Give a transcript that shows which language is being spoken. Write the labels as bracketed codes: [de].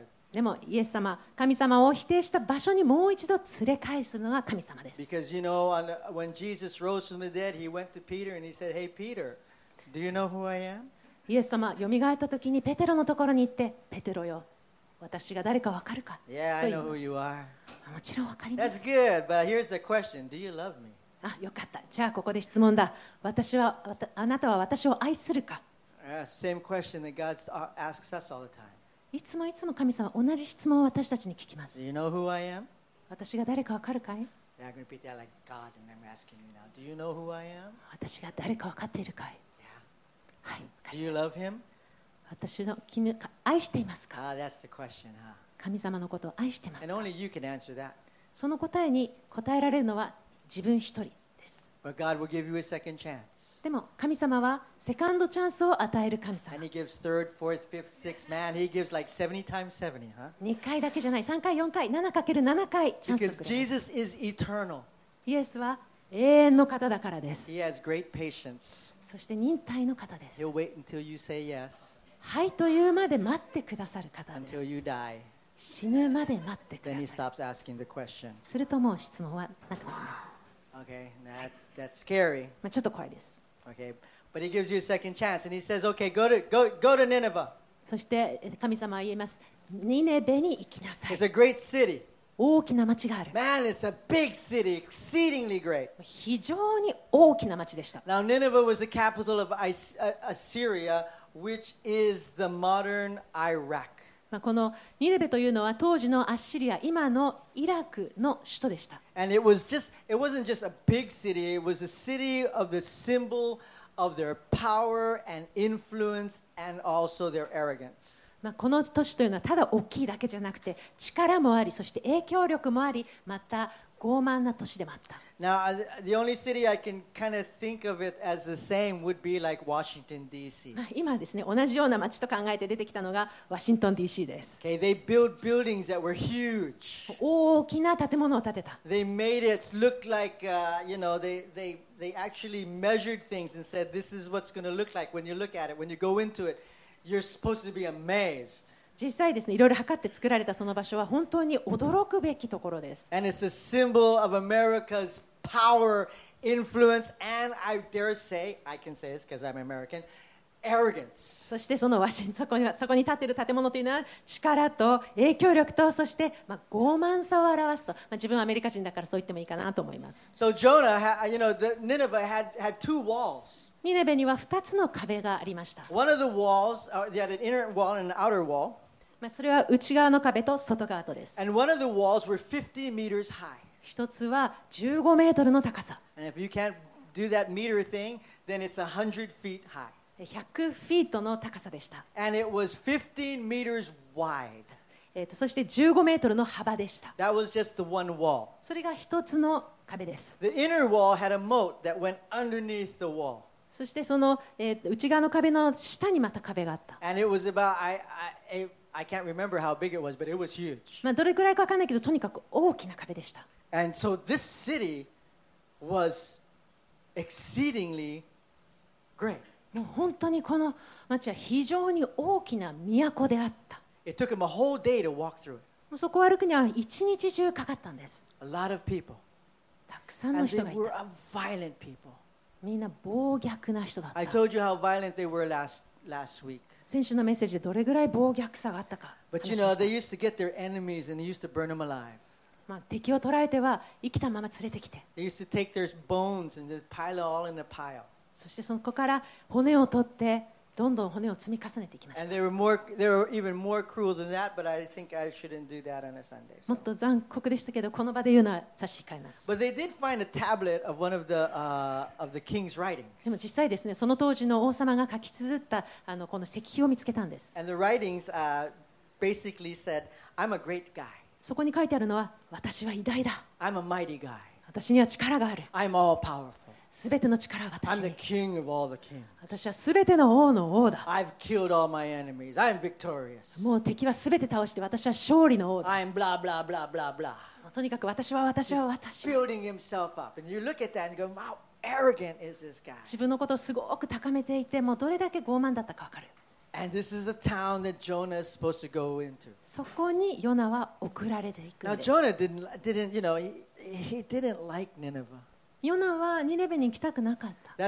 [ja] でもイエス様、神様を否定した場所にもう一度連れ返すのが神様です。 [en] Because you know, when Jesus rose from the dead, he went to Peter and he said, Hey Peter, do you know who I am? [ja] イエス様、よみがえった時にペテロのところに行って、ペテロよ、私が誰かわかるか。 [en] Yeah, I know who you are. [ja] もちろんわかります。 [en] That's good, but here's the question. Do you love me? [ja] あ、よかった。じゃあここで質問だ。私は、あなたは私を愛するか。 [en] Same question that God asks us all the time. [ja] いつもいつも神様、同じ質問を私たちに聞きます。 [en] Do you know who I am? [ja] 私が誰かわかるかい？ [en] Yeah, I'm going to repeat that like God, and I'm asking you now. Do you know who I am? [ja] 私が誰かわかっているかい？はい、 [en] Do you love him? [ja] 私の君を愛していますか、 [en] ah, that's the question, huh? [ja] 神様のことを愛していますか。 [en] And only you can answer that. [ja] その答えに答えられるのは自分一人です。 [en] But God will give you a second chance. [ja] でも神様はセカンドチャンスを与える神様。 [en] And he gives third, fourth, fifth, sixth. Man, he gives like 70 times 70, huh? [ja] 2回だけじゃない、3回、4回、7×7 回チャンスをくれます。 [en] Because Jesus is eternal. [ja] イエスは永遠の方だからです。 [en] He has great patience. [ja] そして忍耐の方です。 [en] He'll wait until you say yes. [ja] はいというまで待ってくださる方です。 [en] Until you die. [ja] 死ぬまで待ってください。 [en] Then he stops asking the question. [ja] するともう質問はなくなります。 [en] Okay, that's scary. [ja] まあちょっと怖いです。 [en] Okay, but he gives you a second chance and he says, Okay, go to Nineveh. [ja] そして神様は言います、ニネベに行きなさい。 [en] It's a great city. [ja] 大きな町がある。 [en] Man, it's a big city, exceedingly great. [ja] 非常に大きな町でした。 [en] Now, Nineveh was the capital of Assyria, which is the modern Iraq. [ja] このニネベというのは当時のアッシリア、今のイラクの首都でした。 [en] And it wasn't just a big city, it was a city of the symbol of their power and influence and also their arrogance. [ja] まあ、この都市というのはただ大きいだけじゃなくて力もあり、そして影響力もあり、また傲慢な都市でもあった。 [en] Now, the only city I can kind of think of it as the same would be like Washington D.C. [ja] 今ですね、同じような町と考えて出てきたのがワシントン D.C. です。 [en] Okay, they built buildings that were huge. [ja] 大きな建物を建てた。 [en] They made it look like, you know, they actually measured things and said this is what's going to look like when you look at it, when you go into itYou're supposed to be amazed. [ja] 実際ですね、いろいろ測って作られたその場所は本当に驚くべきところです。 [en] And it's a symbol of America's power, influence, and I dare say, I can say this because I'm American, arrogance. [ja] そしてそのワシントン、そこに立っている建物というのは力と影響力と、そして、まあ、傲慢さを表すと、まあ、自分はアメリカ人だからそう言ってもいいかなと思います。 [en] So Jonah, you know, the Nineveh had two walls. [ja] ニネベには2つの壁がありました。 [en] One of the walls, they had an inner wall and an outer wall. [ja] まあそれは内側の壁と外側とです。 [en] And one of the walls were 50 meters high. [ja] 一つは15メートルの高さ。 [en] And if you can't do that meter thing, then it's 100 feet high. [ja] 100フィートの高さでした。 [en] And it was 15 meters wide. [ja] そして15メートルの幅でした。 [en] That was just the one wall. [ja] それが一つの壁です。 [en] The inner wall had a moat that went underneath the wall. [ja] そしてその、内側の壁の下にまた壁があった。 [en] And it was about, I can't remember how big it was, but it was huge. [ja] まあどれくらいかわかんないけど、とにかく大きな壁でした。 [en] And so this city was exceedingly great. [ja] もう本当にこの町は非常に大きな都であった。 [en] It took him a whole day to walk through it. [ja] もうそこを歩くには一日中かかったんです。 [en] A lot of people. [ja] たくさんの人がいた。 [en] And they were a violent people. [ja] みんな暴虐な人だった。 [en] I told you how violent they were last week. [ja] 先週のメッセージでどれぐらい暴虐さがあったか。 [en] But you know, they used to get their enemies and they used to burn them alive. [ja] まあ敵を捕らえては生きたまま連れてきて。 [en] They used to take their bones and pile all in a pile. [ja] そしてそこから骨を取ってどんどん骨を積み重ねていきました。 [en] And they were even more cruel than that, but I think I shouldn't do that on a Sunday. [ja] もっと残酷でしたけど、この場で言うのは差し控えます。 [en] But they did find a tablet of one of the king's writings. [ja] でも実際ですね、その当時の王様が書き綴ったあのこの石碑を見つけたんです。 [en] And the writings basically said, I'm a great guy. [ja] そこに書いてあるのは、私は偉大だ。 [en] I'm a mighty guy. [ja] 私には力がある。 [en] I'm all powerful. [ja] すべての力は私に。 [en] I'm the king of all the kings. [ja] 私はすべての王の王だ。 [en] I've killed all my enemies. I'm victorious. [ja] もう敵はすべて倒して私は勝利の王だ。 [en] I'm blah blah blah blah blah. [ja] とにかく私は私は私。 [en] He's building himself up, and you look at that and go, how arrogant is this guy? [ja] 自分のことをすごく高めていて、もうどれだけ傲慢だったかわかる。 [en] And this is the town that Jonah is supposed to go into. [ja] そこにヨナは送られていくんです。 [en] Now Jonah didn't you know he didn't like Nineveh. [ja] ヨナはニネベに行きたくなかった。